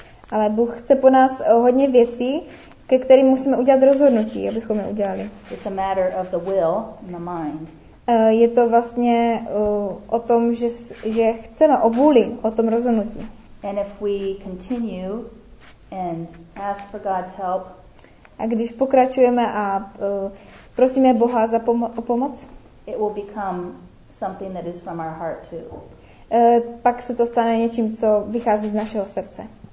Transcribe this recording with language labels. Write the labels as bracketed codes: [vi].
[cs] Ale Bůh chce po nás hodně věcí, ke kterým musíme udělat rozhodnutí, abychom je udělali. [en] It's a matter of the will and the mind. [cs] Je to vlastně o tom, že chceme, o vůli, o tom rozhodnutí. [en] And if we continue and ask for God's help, [cs] a když pokračujeme a prosíme Boha za pomoc, [en] it will become something that is from our heart too. [cs] Pak se to stane něčím, co vychází z našeho srdce.